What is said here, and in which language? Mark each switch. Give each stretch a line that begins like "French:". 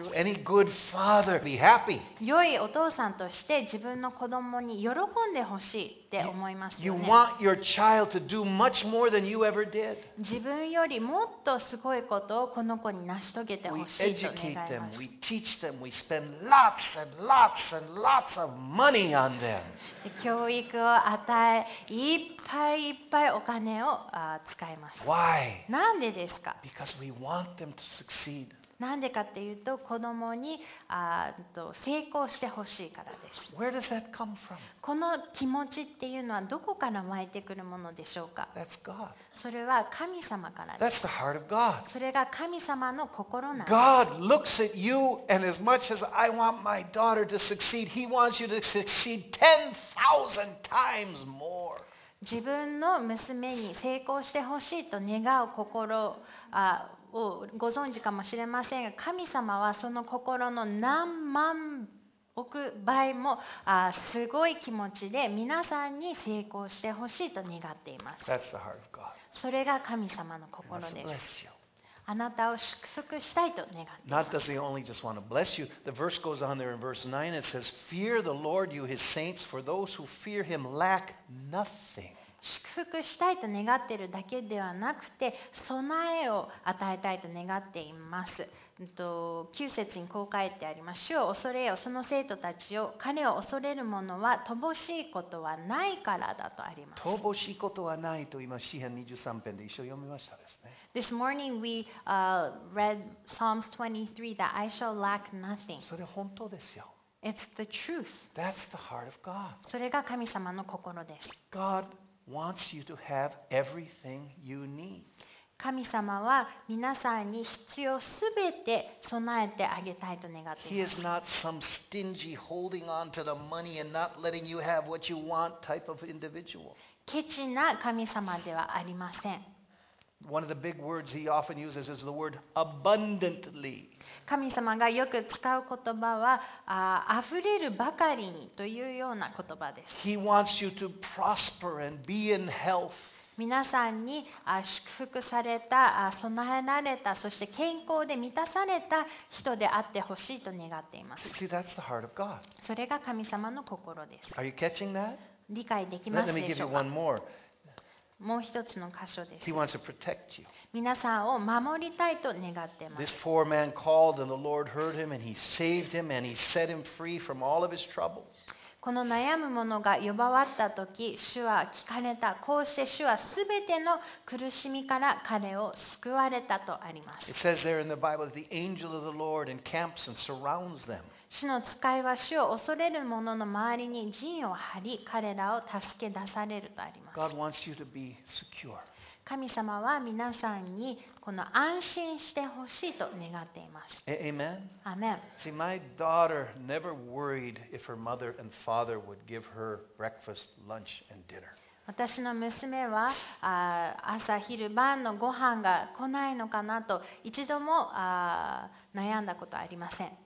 English: Isn't that true? Any good father be happy.
Japanese: 良いお父さんとして自分の子供に喜んでほしいって思いますよね。
English: You want your child to do much more than you ever did.
Japanese: 自分よりもっとすごいことをこの子に成し遂げてほしいと願います。
English: We educate them, we teach them, we spend lots and lots and lots of money on them.
Japanese: 教育を与え、いっぱいいっぱいお金を使います。
English: Why?
Japanese: なんでですか?
English: Because we want them to succeed.
Japanese: なんでかっていうと子供に成功してほしいからです。
English: Where does that come from?
Japanese: この気持ちっていうのはどこから湧いてくるものでしょうか?
English: That's God.
Japanese: それは神様からです。
English: That's the heart of God.
Japanese: それが神様の心なんです。
English: God looks at you and as much as I want my daughter to succeed, He wants you to succeed 10,000 times more.
Japanese: 自分の娘に成功してほしいと願う心をご存知かもしれませんが、神様はその心の何万置く場合もすごい気持ちで皆さんに成功してほしいと願っています。
English: That's the heart of God.
Japanese: それが神様の心です。
English: Bless you.
Japanese: あなたを祝福したいと願っています。
English: Not does he only just want to bless you. The verse goes on there in verse 9. It says, Fear the Lord, you his saints, for those who fear him lack nothing.
Japanese: 祝福したいと願っているだけではなくて、備えを与えたいと願っています。 9節にこう書いてあります。主を恐れよ、その生徒たちよ、彼を恐れる者は乏しいことはないからだとあります。乏しいことはないと今、詩編23編で一緒に読みましたですね。
English: This morning we read Psalms 23 that I shall lack nothing.
Japanese: それ本当ですよ。
English: It's the truth. That's the heart of God.
Japanese: それが神様の心です。
English: God. Wants you to have everything you need.
Japanese: 神様は皆さんに必要すべて備えてあげたいと願っています。
English: He is not some stingy holding on to the money and not letting you have what you want type of individual.
Japanese: ケチな神様ではありません。
English: One of the big words he often uses is the word abundantly.
Japanese: 神様がよく使う言葉は、溢れるばかりにというような言葉です。
English: He wants you to prosper and be in health.
Japanese: 皆さんに祝福された、備えられた、そして健康で満たされた人であってほしいと願っています。
English: See, that's the heart of God.
Japanese: それが神様の心です。
English: Are you catching that?
Japanese: 理解できますでしょうか?
English: Let me give you one more.
Japanese: もう一つの箇所です。
English: He wants to protect you.
Japanese: 皆さんを守りたいと願っています。
English: This poor man called, and the Lord heard him, and he saved him, and he set him free from all of his troubles.
Japanese: この悩む者が呼ばわったとき、主は聞かれた。こうして主はすべての苦しみから彼を救われたとあります。
English: It says there in the Bible that the angel of the Lord encamps and surrounds them.
Japanese: 主の使いは主を恐れる者の周りに陣を張り彼らを助け出されるとあります。
English: God wants you to be secure.
Japanese: 神様は皆さんにこの安心してほしいと願っています。
English: Amen. Amen. See, my daughter never worried if her mother and father would give her breakfast, lunch, and dinner.
Japanese: 私の娘は朝昼晩のご飯が来ないのかなと一度も悩んだことはありません。